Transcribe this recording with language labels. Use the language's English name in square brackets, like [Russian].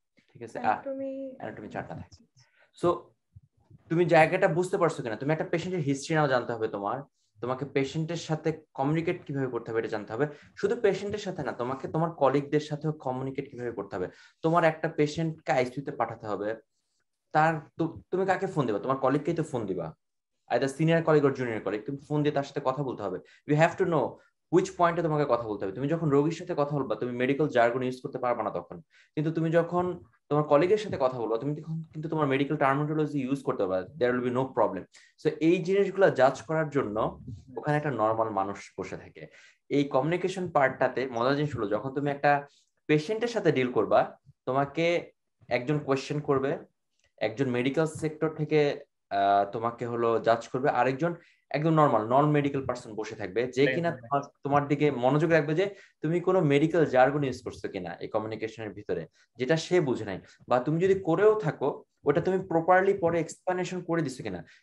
[Bangla] ঠিক আছে, অ্যানাটমি চারটা থাকে। সো তুমি জায়গাটা বুঝতে পারছো কিনা, তুমি একটা পেশেন্টের হিস্ট্রি নাও জানতে হবে তোমার, তোমাকে পেশেন্টের সাথে কমিউনিকেট কিভাবে করতে হবে এটা জানতে হবে। শুধু পেশেন্টের সাথে না, তোমাকে তোমার কলিগদের সাথেও কমিউনিকেট কিভাবে করতে হবে। তোমার একটা পেশেন্টকে আইসিইউতে পাঠাতে হবে, তার তুমি কাকে ফোন দিবা, তোমার কলিগকেই তো ফোন দিবা, [English] either senior colleague or junior colleague, [Bangla] তুমি ফোন দিয়ে তার সাথে কথা বলতে হবে। [English] you have to know which point [Bangla] এ তোমাকে কথা বলতে হবে। তুমি যখন রোগীর সাথে কথা বলবা, তুমি মেডিকেল জার্গন ইউজ করতে পারবা না তখন, কিন্তু তুমি যখন তোমার কলিগের সাথে কথা বলবা, তুমি কিন্তু তোমার মেডিকেল টার্মিনোলজি ইউজ করতে পারবা, [English] there will be no problem. [Bangla] So এই জিনিসগুলো জাজ করার জন্য ওখানে একটা নরমাল মানুষ বসে থাকে। এই কমিউনিকেশন পার্টটাতে মজার জিনিস হলো, যখন তুমি একটা পেশেন্টের সাথে ডিল করবা, তোমাকে একজন কোয়েশ্চেন করবে, একজন মেডিকেল সেক্টর থেকে তোমাকে হলো জাজ করবে, আরেকজন একদম নরমাল নন মেডিকেল পার্সন বসে থাকবে, যে কিনা তোমার দিকে মনোযোগ রাখবে যে তুমি কোনো মেডিকেল জার্গন ইউজ করছো কিনা এই কমিউনিকেশনের ভিতরে, যেটা সে বুঝে নাই, বা তুমি যদি করেও থাকো ওটা তুমি প্রপারলি পরে এক্সপ্লেনেশন করে দিছো কিনা।